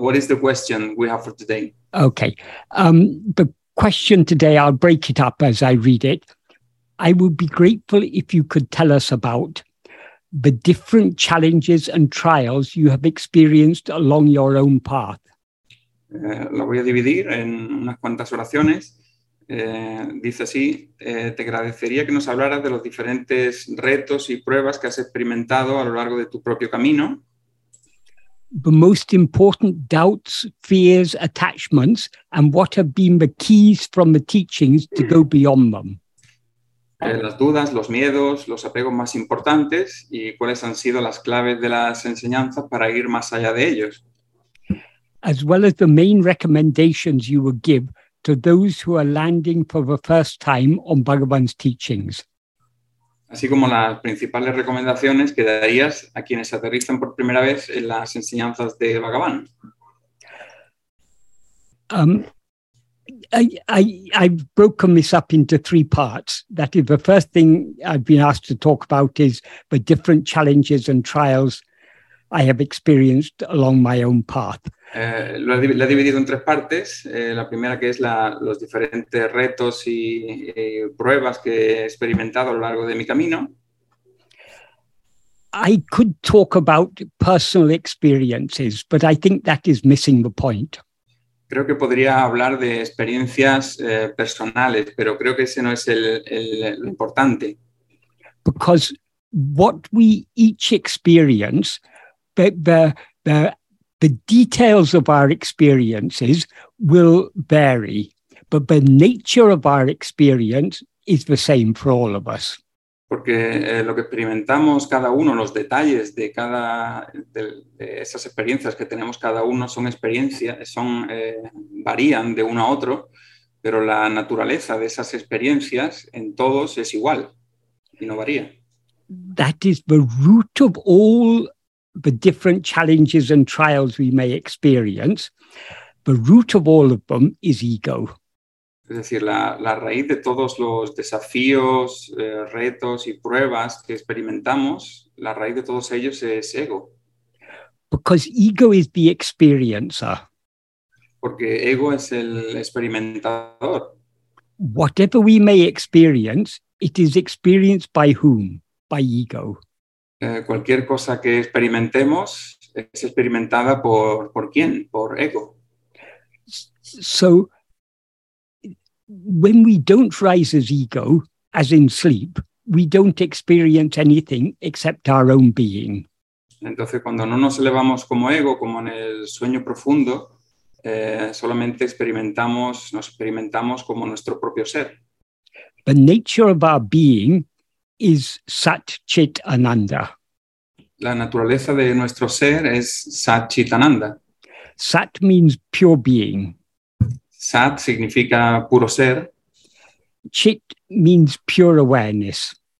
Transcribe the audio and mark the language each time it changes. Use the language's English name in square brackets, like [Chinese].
[English] What is the question we have for today? Okay. The question today, I'll break it up as I read it. I would be grateful if you could tell us about the different challenges and trials you have experienced along your own path. [Spanish] Lo voy a dividir en unas cuantas oraciones. Dice así, te agradecería que nos hablaras de los diferentes retos y pruebas que has experimentado a lo largo de tu propio camino. [English] The most important doubts, fears, attachments, and what have been the keys from the teachings to go beyond them. [Spanish] Las dudas, los miedos, los apegos más importantes, y cuáles han sido las claves de las enseñanzas para ir más allá de ellos. [English] As well as the main recommendations you would give to those who are landing for the first time on Bhagavan's teachings. [Spanish] Así como las principales recomendaciones que darías a quienes aterrizan por primera vez en las enseñanzas de Bhagavan. [English] I've broken this up into three parts. That is, the first thing I've been asked to talk about is the different challenges and trials I have experienced along my own path. [Spanish] Lo he dividido en tres partes. La primera, que es los diferentes retos y pruebas que he experimentado a lo largo de mi camino. [English] I could talk about personal experiences, but I think that is missing the point. [Spanish] Creo que podría hablar de experiencias personales, pero creo que ese no es lo importante. [English] Because what we each experience, the details of our experiences will vary, but the nature of our experience is the same for all of us. [Spanish] Porque lo que experimentamos cada uno, los detalles de cada de esas experiencias que tenemos cada uno son experiencias, varían de uno a otro, pero la naturaleza de esas experiencias en todos es igual y no varía. [English] That is the root of all the different challenges and trials we may experience. The root of all of them is ego. [Spanish] Es decir, la raíz de todos los desafíos, retos y pruebas que experimentamos, la raíz de todos ellos es ego. [English] Because ego is the experiencer. [Spanish] Porque ego es el experimentador. [English] Whatever we may experience, it is experienced by whom? By ego. [Spanish] Cualquier cosa que experimentemos es experimentada por quién? Por ego. [English] So, when we don't rise as ego, as in sleep, we don't experience anything except our own being. [Spanish] Entonces, cuando no nos elevamos como ego, como en el sueño profundo, solamente nos experimentamos como nuestro propio ser. [English] The nature of our being is Sat Chit Ananda. [Spanish] La naturaleza de nuestro ser es Sat Chit Ananda. [English] Sat means pure being. [Spanish] Sat significa puro ser. [English] Chit means pure awareness.